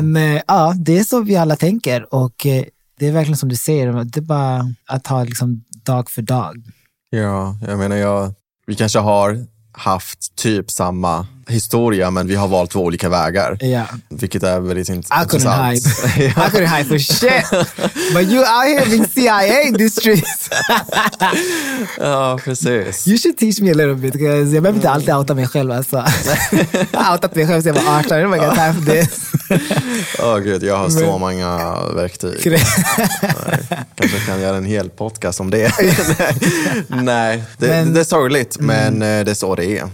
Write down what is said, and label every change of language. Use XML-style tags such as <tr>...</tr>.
<sv>Men ja, det är så vi alla tänker. Och det är verkligen som du säger, det är bara att ta liksom dag för dag. Ja, jag menar, vi kanske har haft typ samma historia, men vi har valt två olika vägar. Ja. Vilket är väldigt intressant.</sv> <en>I couldn't hide. Ja. I couldn't hide for shit. But you out here in CIA districts.</en> <sv>Ja, precis.</sv> <en>You should teach me a little bit, because</en> <sv>jag behöver inte alltid outa mig själv. Alltså. Jag har outat mig själv, så jag var 18.</sv> <en>Oh my god, time for this.</en> <sv>Åh gud, jag har så många verktyg. Kanske kan göra en hel podcast om det. Nej, det är sorgligt, men det är så det är.</sv>